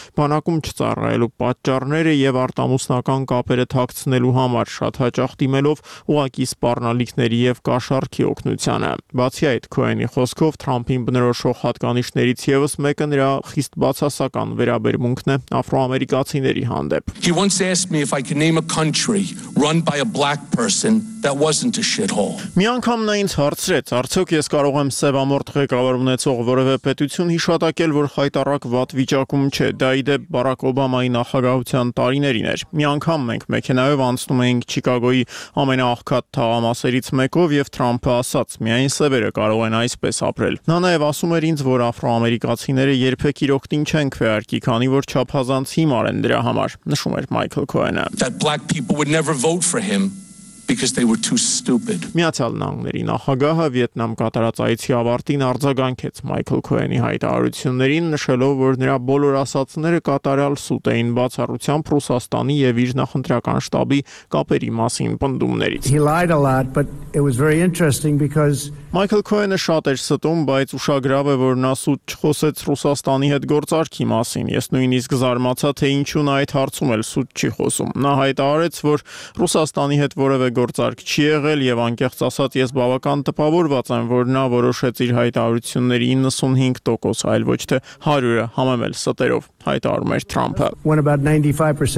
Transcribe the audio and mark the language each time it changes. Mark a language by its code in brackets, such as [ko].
[hy] բանակում չծառայելու պատճառները եւ արտամուսնական կապերը թաքցնելու համար, շատ հաճախ դիմելով ուղակի սպառնալիքների եւ կաշառքի օգնությանը։ Բացի այդ, Քոհենի խոսքով Թրամփին բնորոշող հատկանիշներից եւս մեկը նրա խիստ բացասական վերաբերմունքն է աֆրոամերիկացիների հանդեպ։ [en] If I can name a country run by a black person that wasn't a shithole. [hy] Մի անգամ նա ինձ հարցրեց, արդյոք ես կարող եմ սևամորթ ղեկավար ունեցող որևէ պետություն հիշատակել, որ խայտառակ վատ վիճակում չէ, դա ի դեպ Բարակ Օբամայի նախագահության տարիներին էր։ Մի անգամ մենք մեքենայով անցնում էինք Չիկագոյի ամենաաղքատ թաղամասերից մեկով և Թրամփը ասաց. «Միայն սևերը կարող են այսպես ապրել»։ Նա նաև ասում էր ինձ, որ աֆրոամերիկացիները երբեք իր օգտին չեն քվեարկի, քանի որ չափազանց հիմար են դրա համար, նշում էր Մայքլ Քոհենը։ [en] That black people would never vote for him because they were too stupid. [hy] Միացյալ Նահանգների նախագահը Վիետնամ կատարած այցի ավարտին արձագանքեց Մայքլ Քոենի հայտարարություններին, նշելով, որ նրա բոլոր ասացները կատարյալ սուտ էին բացառությամբ Ռուսաստանի եւ իր նախընտրական շտաբի կապերի մասին պնդումներից. [en] He lied a lot, but it was very interesting because [hy] Մայքլ Քոենը շատ էր ստում, բայց ուշագրավ է, որ նա սուտ չխոսեց Ռուսաստանի հետ գործարքի մասին։ Ես նույնիսկ զարմացա, թե ինչու նա այդ հարցում էլ սուտ չի խոսում։ Նա հայտարարեց, որ Ռուսաստանի հետ որևէ գործարք չի եղել եւ անկեղծ ասած ես բավական տպավորված եմ, որ նա որոշեց իր հայտարարությունների 95% այլ ոչ թե 100%-ը համեմել ստերով, հայտարարում էր Թրամփը։